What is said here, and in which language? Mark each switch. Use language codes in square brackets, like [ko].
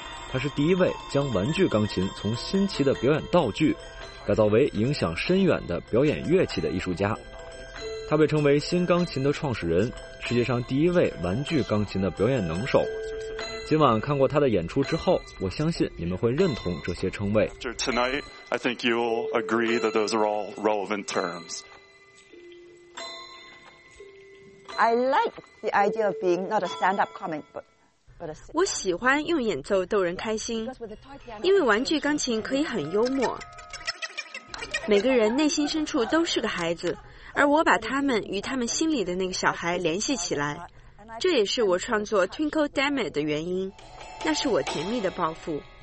[zh] 他是第一位将玩具钢琴从新奇的表演道具改造为影响深远的表演乐器的艺术家。他被称为新钢琴的创始人，世界上第一位玩具钢琴的表演能手。今晚看过他的演出之后，我相信你们会认同这些称谓。 [en] Tonight, I think you'll agree that those are all relevant terms. I like the idea of being not a stand-up comic, but [zh] 我喜欢用演奏逗人开心，因为玩具钢琴可以很幽默。每个人内心深处都是个孩子，而我把他们与他们心里的那个小孩联系起来。这也是我创作 Twinkle Dammit 的原因，那是我甜蜜的报复。